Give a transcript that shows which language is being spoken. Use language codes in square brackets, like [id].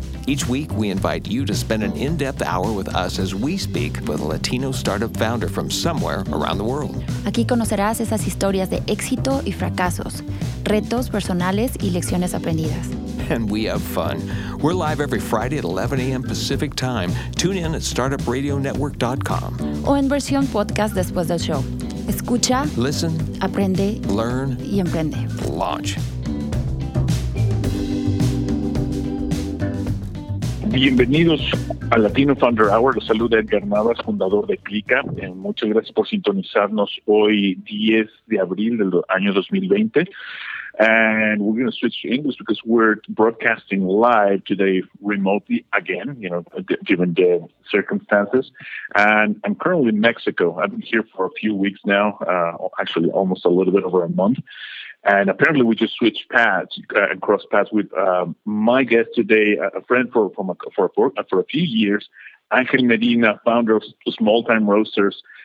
[en] Each week, we invite you to spend an in-depth hour with us as we speak with a Latino startup founder from somewhere around the world. [es] Aquí conocerás esas historias de éxito y fracasos, retos personales y lecciones aprendidas. [en] And we have fun. We're live every Friday at 11 a.m. Pacific time. Tune in at startupradionetwork.com. [es] O en versión podcast después del show. Escucha, [en] listen, [es] aprende, [en] learn, [es] y emprende. [en] Launch. [es] Bienvenidos a Latino Founder Hour. Los saluda Edgar Navas, fundador de Clica. Muchas gracias por sintonizarnos hoy, 10 de abril del año 2020. [en] And we're going to switch to English because we're broadcasting live today remotely again, you know, given the circumstances. And I'm currently in Mexico. I've been here for a few weeks now, actually almost a little bit over a month. And apparently we just switched paths and crossed paths with my guest today, a friend for a few years, Angel Medina, founder of Small Time Roasters.